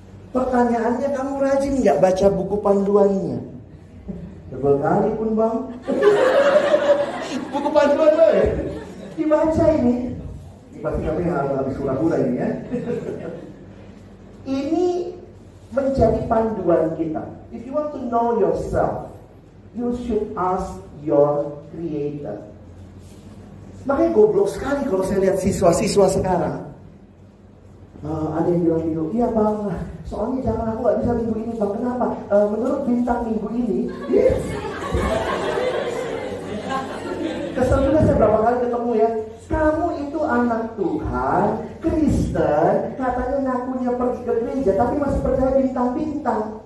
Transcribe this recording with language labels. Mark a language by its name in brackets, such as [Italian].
[Indonesian] Pertanyaannya, kamu rajin gak baca buku panduannya? Tebal kali pun bang. Buku panduan lo ya? Dibaca ini. Pasti kami habis hura-hura ini ya. Ini menjadi panduan kita. [English] If you want to know yourself, you should ask your creator. [Indonesian] Makanya goblok sekali kalau saya lihat siswa-siswa sekarang. Ada yang bilang gitu, iya bang, soalnya jangan aku gak bisa minggu ini bang, kenapa? Menurut bintang minggu ini, kesel juga saya berapa kali ketemu ya, kamu itu anak Tuhan, Kristen, katanya ngakunya pergi ke gereja, tapi masih percaya bintang-bintang.